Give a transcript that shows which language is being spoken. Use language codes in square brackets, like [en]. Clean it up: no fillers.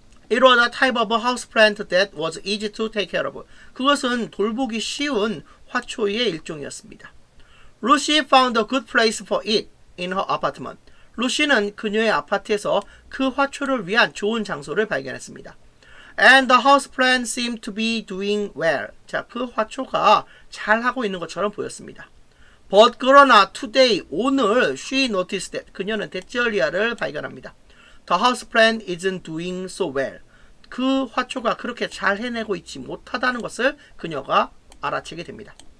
[en] It was a type of houseplant that was easy to take care of. [ko] 그것은 돌보기 쉬운 화초의 일종이었습니다. [en] Lucy found a good place for it in her apartment. [ko] 루시는 그녀의 아파트에서 그 화초를 위한 좋은 장소를 발견했습니다. [en] And the houseplant seemed to be doing well. [ko] 자, 그 화초가 잘하고 있는 것처럼 보였습니다. [en] But [ko] 그러나 [en] today, [ko] 오늘 [en] she noticed that [ko] 그녀는 데츠얼리아를 발견합니다. [en] The houseplant isn't doing so well. [ko] 그 화초가 그렇게 잘 해내고 있지 못하다는 것을 그녀가 알아채게 됩니다.